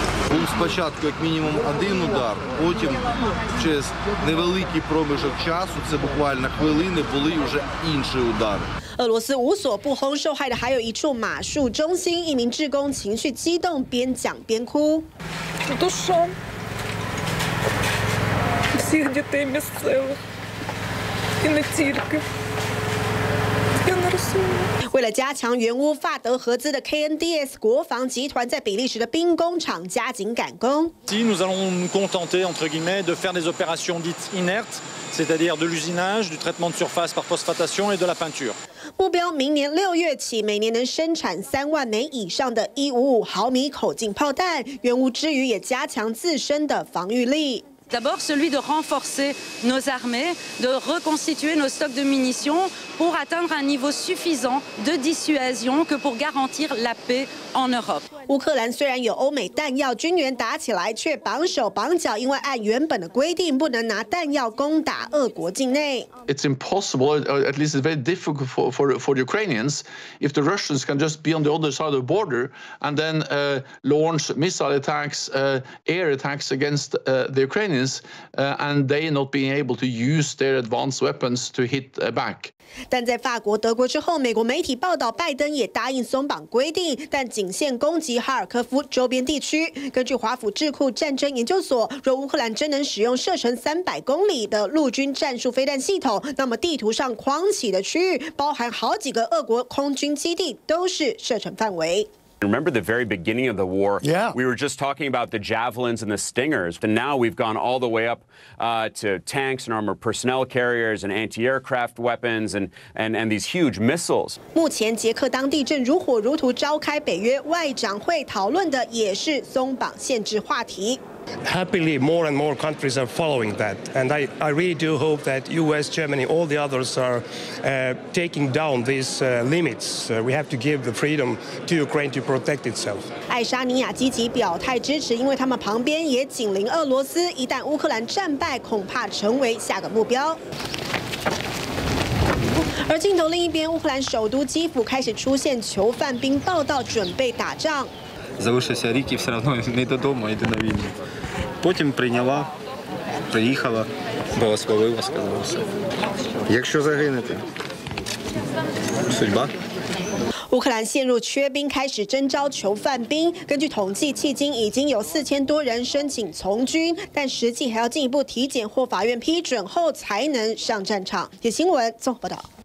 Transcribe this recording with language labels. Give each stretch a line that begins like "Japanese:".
Ukrainian: Був спочатку як мінімум один удар, потім через невеликий проміжок часу, це буквально хвилини, були вже інші удари.
Chinese: 俄罗斯无所不轰，受害的还有一处马术中心，一名志工情绪激动，边讲边哭。
Ukrainian: Це душа всіх дітей місцевих і не тільки.
Chinese: 为了加强援乌，法德合资的 KNDS 国防集团在比利时的兵工厂加紧赶工。
French: Si nous allons nous contenter entre guillemets de faire des opérations dites inertes, c'est-à-dire de l'usinage, du traitement de surface par phosphatation et de la peinture.
Chinese: 目标明年6月起，每年能生产30000枚以上的155毫米口径炮弹。援乌之余，也加强自身的防御力。
French: D'abord celui de renforcer nos armées, de reconstituer nos stocks de munitions pour atteindre un niveau suffisant de dissuasion que pour garantir la paix en Europe.
Chinese: 乌克兰虽然有欧美弹药，军援打起来却绑手绑脚，因为按原本的规定不能拿弹药攻打俄国境内。
English: It's impossible, or at least it's very difficult for Ukrainians if the Russians can just be on the other side of the border and then launch missile attacks, air attacks against the Ukraine. And they not being able to use their advanced weapons to hit back.
Chinese: 但在法国、德国之后，美国媒体报道，拜登也答应松绑规定，但仅限攻击哈尔科夫周边地区。根据华府智库战争研究所，若乌克兰真能使用射程300公里的陆军战术飞弹系统，那么地图上框起的区域，包含好几个俄国空军基地，都是射程范围。
English: Remember the very beginning of the war? Yeah. We were just talking about the javelins and the stingers, but now we've gone all the way up to tanks and armored personnel carriers and anti-aircraft weapons and these huge missiles.
Chinese: 目前捷克当地正如火如荼召开北约外长会，讨论的也是松绑限制话题。
English: Happily, more and more countries are following that, and I really do hope that U.S., Germany, all the others are taking down these limits. We have to give the freedom to Ukraine to protect itself.
Chinese: 爱沙尼亚积极表态支持，因为他们旁边也紧邻俄罗斯，一旦乌克兰战败，恐怕成为下个目标。而镜头另一边，乌克兰首都基辅开始出现囚犯兵报道，准备打仗。
Ukrainian: Залишився рік і все одно не додому, йди на війну. Потім прийняла, приїхала, благословила, сказала все. Якщо загинете,
Russian: судьба.
Chinese: 乌克兰陷入缺兵，开始征召囚犯兵。根据统计，迄今已经有4000多人申请从军，但实际还要进一步体检或法院批准后才能上战场。 《点新闻》综合报道。